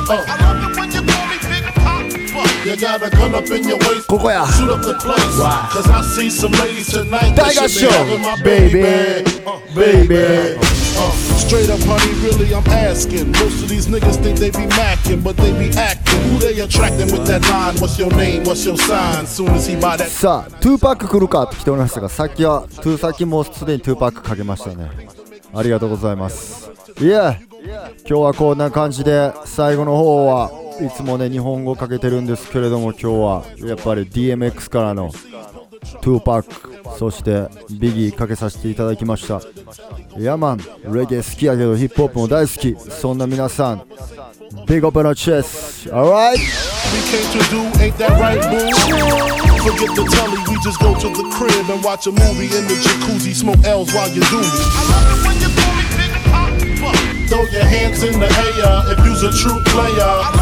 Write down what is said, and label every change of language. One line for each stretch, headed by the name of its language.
English: I love it when you call me Big Pop. You gotta gun up in your waist.
Japanese: ここ
English: shoot up the place. Wow. Cause I see some ladies tonight. That got show. My baby. Baby. Straight up, honey, really, I'm asking. Most of these niggas think they be macking, but they be acting. Who they attracting with that line? What's your name? What's your sign? Soon as he buy that.
Japanese: さあ、2Pac 来るかって来ておりましたが、さっきは、さっきもうすでに 2Pac かけましたね。ありがとうございます。いや、今日はこんな感じで、最後の方はいつもね、日本語かけてるんですけれども、今日はやっぱり DMX からの 2Pac、そしてビギーかけさせていただきました。ヤマン、レゲエ好きやけどヒップホップも大好き、そんな皆さん、ビッグオープンのチェス、アライト。
English: Forget the telly, we just go to the crib and watch a movie in the jacuzzi, smoke L's while you do me. Throw your hands in the air if you's a true player.